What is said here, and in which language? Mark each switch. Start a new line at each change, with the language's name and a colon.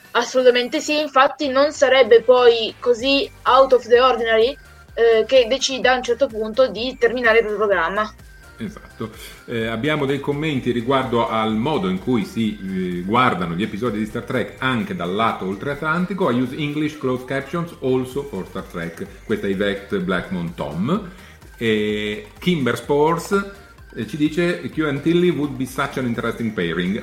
Italian: Assolutamente sì, infatti non sarebbe poi così
English: out of the ordinary
Italian: che decida a un certo punto di terminare il programma. Esatto, abbiamo dei commenti riguardo al modo in cui si guardano gli episodi di Star Trek anche dal lato oltreatlantico.
English: I use English closed captions also for Star Trek.
Italian: Questa è Yvette Blackmon Tom. E Kimber Spores ci dice
English: Q and Tilly would be such an interesting pairing.